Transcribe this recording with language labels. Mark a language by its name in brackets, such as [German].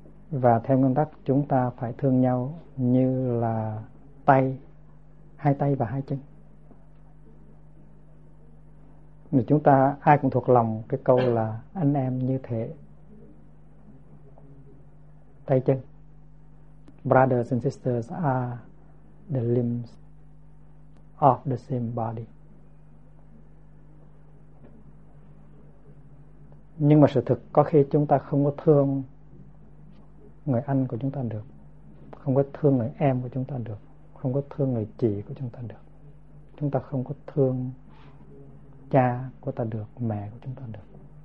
[Vietnamese] Và theo nguyên tắc, chúng ta phải thương nhau như là tay, hai tay và hai chân. Mà chúng ta ai cũng thuộc lòng cái câu là anh em như thế, tay chân. [English] Brothers and sisters are the limbs of the same body. [Vietnamese] Nhưng mà sự thực có khi chúng ta không có thương người anh của chúng ta được, không có thương người em của chúng ta được, không có thương người chị của chúng ta được. Chúng ta không có thương cha của ta được, mẹ của chúng ta được.